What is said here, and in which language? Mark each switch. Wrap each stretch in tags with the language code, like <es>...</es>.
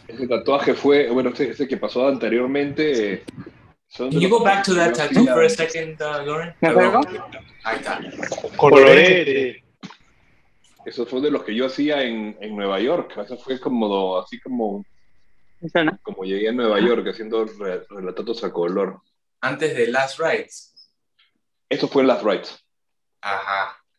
<es>Ese tatuaje fue, bueno, ese que pasó anteriormente.</es> <en>Can you go back to that tattoo for a second, Lauren?</en> <es>Ahí está. Coloré. Eso fue de los que yo hacía en Nueva York. Eso fue como llegué a Nueva York haciendo relatos a color. Antes de Last Rites. Eso fue en Last Rites. Ajá.</es>